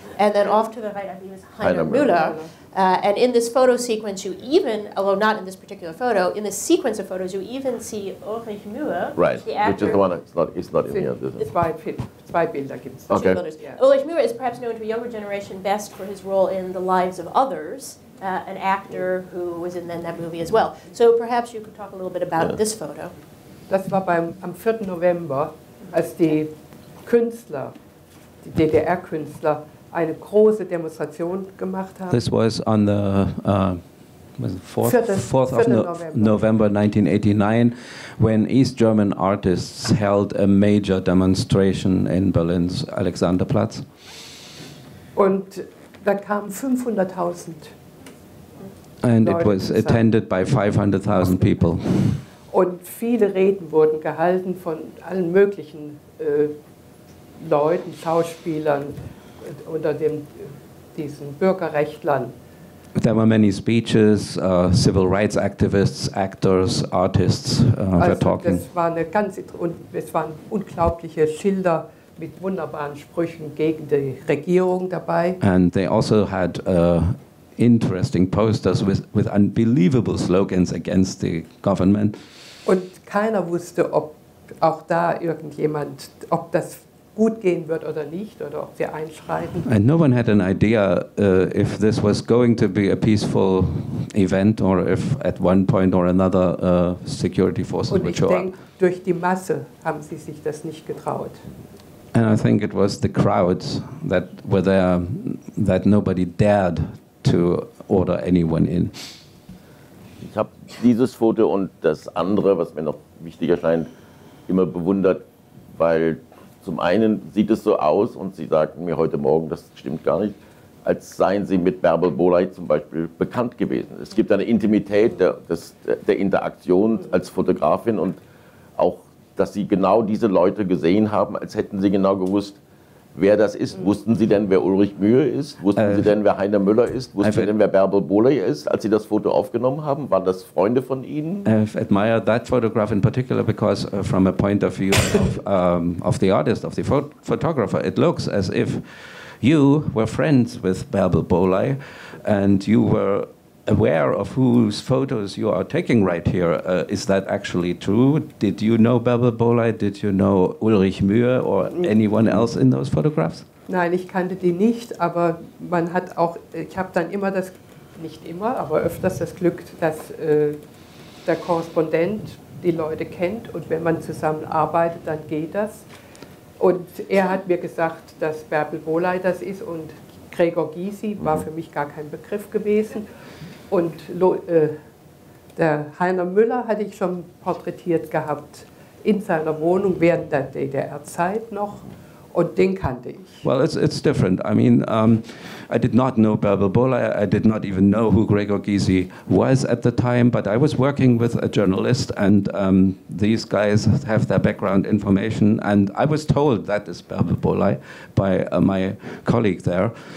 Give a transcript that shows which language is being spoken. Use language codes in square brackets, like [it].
[en] And then off to the right, I believe, is Heiner Müller. And in this photo sequence, you even, although not in this particular photo, in the sequence of photos, you even see Ulrich Mühe, right, the actor. Which is the one that's not, it's not in here, isn't it? [de] Zwei Bilder gibt's. [en] Okay. Ulrich Mühe is perhaps known to a younger generation best for his role in The Lives of Others, an actor who was in that movie as well. So perhaps you could talk a little bit about this photo. [de] Das war am 4. November, als die Künstler, die DDR-Künstler, eine große Demonstration gemacht haben. [en] This was on the 4th of November 1989, when East German artists held a major demonstration in Berlin's Alexanderplatz. [de] Und da kamen 500.000. [en] And it was attended by 500,000 people. [de] Und viele Reden wurden gehalten von allen möglichen Leuten, Schauspielern, unter diesen Bürgerrechtlern. [en] There were many speeches, civil rights activists, actors, artists were talking. [de] Das war es waren unglaubliche Schilder mit wunderbaren Sprüchen gegen die Regierung dabei. [en] And they also had interesting posters with unbelievable slogans against the government. [de] Und keiner wusste, ob auch da irgendjemand, ob das gut gehen wird oder nicht, oder ob wir einschreiten. [en] And no one had an idea if this was going to be a peaceful event or if at one point or another security forces would show up. [de] Und ich denke, durch die Masse haben sie sich das nicht getraut. [en] And I think it was the crowds that were there that nobody dared to order anyone in. [de] Ich habe dieses Foto und das andere, was mir noch wichtig erscheint, immer bewundert, weil zum einen sieht es so aus, und Sie sagten mir heute Morgen, das stimmt gar nicht, als seien Sie mit Bärbel Bohlen zum Beispiel bekannt gewesen. Es gibt eine Intimität der Interaktion als Fotografin und auch, dass Sie genau diese Leute gesehen haben, als hätten Sie genau gewusst, wer das ist. Wussten Sie denn, wer Ulrich Mühe ist? Wussten Sie denn, wer Heiner Müller ist? Wussten Sie denn, wer Bärbel Bohlen ist, als Sie das Foto aufgenommen haben? Waren das Freunde von Ihnen? [en] I've admired that photograph in particular because from a point of view of the artist, of the photographer, it looks as if you were friends with Bärbel Bohlen and you were aware of whose photos you are taking right here. Is that actually true? Did you know Bärbel Bohlen? Did you know Ulrich Mühe or anyone else in those photographs? [de] Nein, ich kannte die nicht, aber man hat auch, ich habe dann immer das, nicht immer, aber öfters das Glück, dass der Korrespondent die Leute kennt und wenn man zusammenarbeitet, dann geht das. Und er hat mir gesagt, dass Bärbel Bohlen das ist und Gregor Gysi war für mich gar kein Begriff gewesen. Und Der Heiner Müller hatte ich schon porträtiert gehabt in seiner Wohnung während der DDR-Zeit noch. Und den kannte ich. [en] Well, it's different. I mean, I did not know Bärbel Bohler. I did not even know who Gregor Gysi was at the time. But I was working with a journalist, and these guys have their background information. And I was told that is Bärbel Bohler by my colleague there.